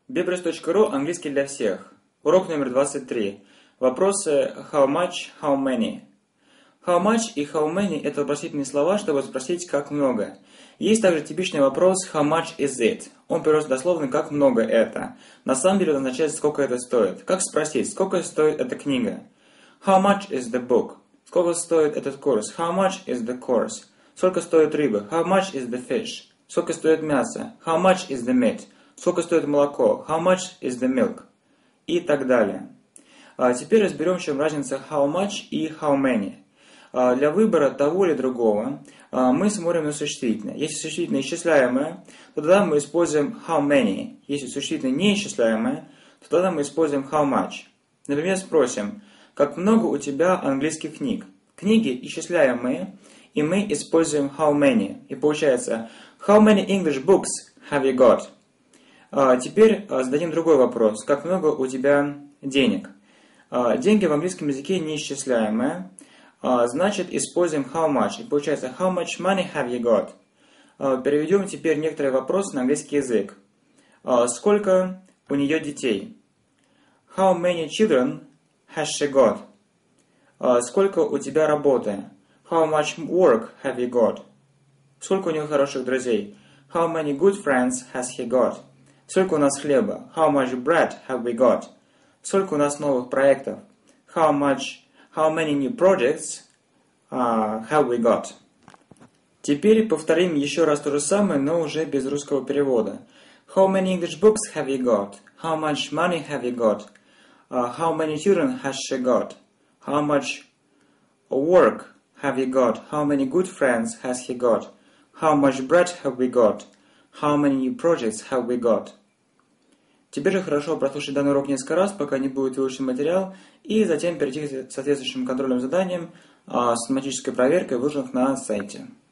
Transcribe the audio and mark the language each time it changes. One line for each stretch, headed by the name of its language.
Russian: Bibris.ru, английский для всех. Урок номер 23. Вопросы
English: how much, how many. How much
Russian: и
English: how many
Russian: – это вопросительные слова, чтобы спросить, как много. Есть также типичный вопрос
English: how much is it.
Russian: Он перевод дословно как много это. На самом деле он означает, сколько это стоит. Как спросить, сколько стоит эта книга?
English: How much is the book?
Russian: Сколько стоит этот курс?
English: How much is the course?
Russian: Сколько стоит рыба?
English: How much is the fish?
Russian: Сколько стоит мясо?
English: How much is the meat?
Russian: Сколько стоит молоко?
English: How much is the milk?
Russian: И так далее. Теперь разберем, в чем разница
English: how much
Russian: и
English: how many.
Russian: Для выбора того или другого мы смотрим на существительное. Если существительное исчисляемое, то тогда мы используем
English: how many.
Russian: Если существительное неисчисляемое, то тогда мы используем
English: how much.
Russian: Например, спросим, как много у тебя английских книг? Книги исчисляемые, и мы используем
English: how many.
Russian: И получается,
English: how many English books have you got?
Russian: Теперь зададим другой вопрос. Как много у тебя денег? Деньги в английском языке неисчисляемые. Значит, используем
English: how much.
Russian: И получается,
English: how much money have you got?
Russian: Переведем теперь некоторые вопросы на английский язык. Сколько у нее детей?
English: How many children has she got?
Russian: Сколько у тебя работы?
English: How much work have you got?
Russian: Сколько у нее хороших друзей?
English: How many good friends has he got?
Russian: Сколько у нас хлеба?
English: How much bread have we got?
Russian: Сколько у нас новых проектов?
English: How many new projects have we got?
Russian: Теперь повторим еще раз то же самое, но уже без русского перевода.
English: How many English books have you got? How much money have you got? How many children has she got? How much work have you got? How many good friends has he got? How much bread have we got? How many new projects have we got?
Russian: Теперь же хорошо прослушать данный урок несколько раз, пока не будет выучен материал, и затем перейти к соответствующим контрольным заданиям с автоматической проверкой, выложенных на сайте.